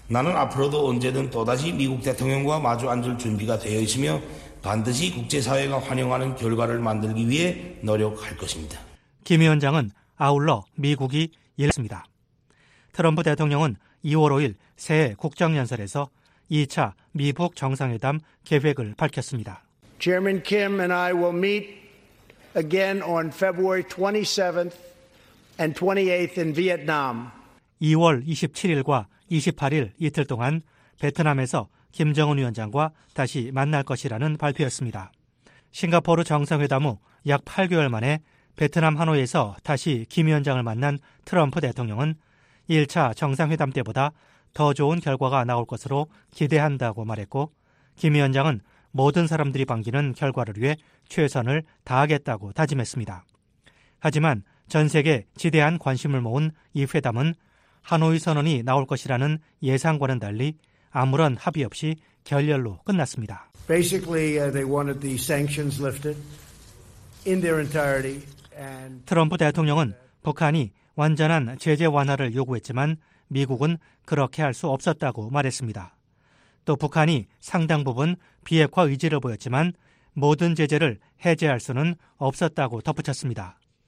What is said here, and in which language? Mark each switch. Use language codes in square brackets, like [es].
[ko] 나는 앞으로도 언제든 또다시 미국 대통령과 마주 앉을 준비가 되어 있으며 반드시 국제사회가 환영하는 결과를 만들기 위해 노력할 것입니다. 김 위원장은 아울러 미국이 일했습니다. 트럼프 대통령은 2월 5일 새해 국정연설에서 2차 미북 정상회담 계획을 밝혔습니다. [en] Chairman Kim and I will meet again on February 27th. And 28th in Vietnam. [ko] 2월 27일과 28일 이틀 동안 베트남에서 김정은 위원장과 다시 만날 것이라는 발표였습니다. 싱가포르 정상회담 후 약 8개월 만에 베트남 하노이에서 다시 김 위원장을 만난 트럼프 대통령은 1차 정상회담 때보다 더 좋은 결과가 나올 것으로 기대한다고 말했고 김 위원장은 모든 사람들이 반기는 결과를 위해 최선을 다하겠다고 다짐했습니다. 하지만 전 세계 지대한 관심을 모은 이 회담은 하노이 선언이 나올 것이라는 예상과는 달리 아무런 합의 없이 결렬로 끝났습니다. [en] Basically, they wanted the sanctions lifted in their entirety. [ko] 트럼프 대통령은 북한이 완전한 제재 완화를 요구했지만 미국은 그렇게 할 수 없었다고 말했습니다. 또 북한이 상당 부분 비핵화 의지를 보였지만 모든 제재를 해제할 수는 없었다고 덧붙였습니다.